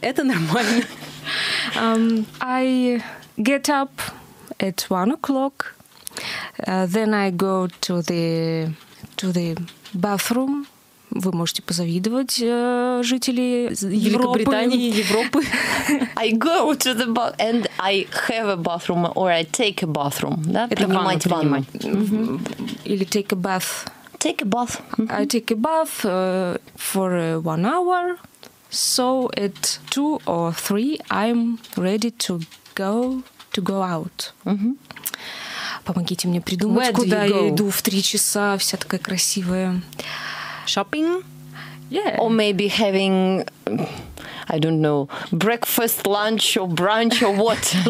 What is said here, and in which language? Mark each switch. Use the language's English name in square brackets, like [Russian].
[Russian] Это нормально. [English] I get up at 1 o'clock. Then I go to the bathroom. [Russian] Вы можете позавидовать жителей Европы. Великобритании, Европы. [English] I go to the bathroom and I have a bathroom or I take a bathroom. [Russian] Да? Принимать ванну. [English] Или take a bath. Take a bath. Mm-hmm. I take a bath for 1 hour. So at 2 or 3 I'm ready to go out. Mm-hmm. [Russian] Помогите мне придумать, [English] where [Russian] куда я иду в 3 часа, вся такая красивая. [English] Shopping? Yeah. Or maybe having, I don't know, breakfast, lunch or brunch or what?